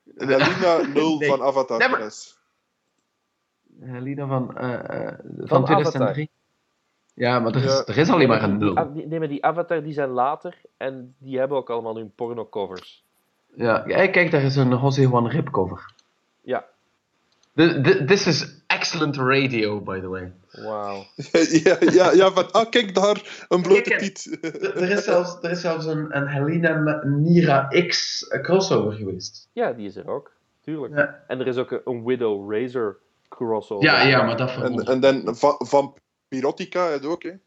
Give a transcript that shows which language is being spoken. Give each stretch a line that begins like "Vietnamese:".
Dutch: Helena 0 nee. Van Avatar. Never. Helena van 2003. Ja, maar er is alleen maar een 0. Nee, maar die Avatar die zijn later en die hebben ook allemaal hun porno-covers. Ja, kijk, daar is een José Juan Rip cover. Ja.
English: This is excellent radio, by the way.
Dutch: Wauw. ja, kijk daar, een blote piet. er is zelfs een Helena Nira X crossover geweest. Ja, die is er ook, tuurlijk. Ja. En er is ook een Widow Razor crossover. Ja, ja, maar dat vermoed. En dan Vampirotica het ook, hè?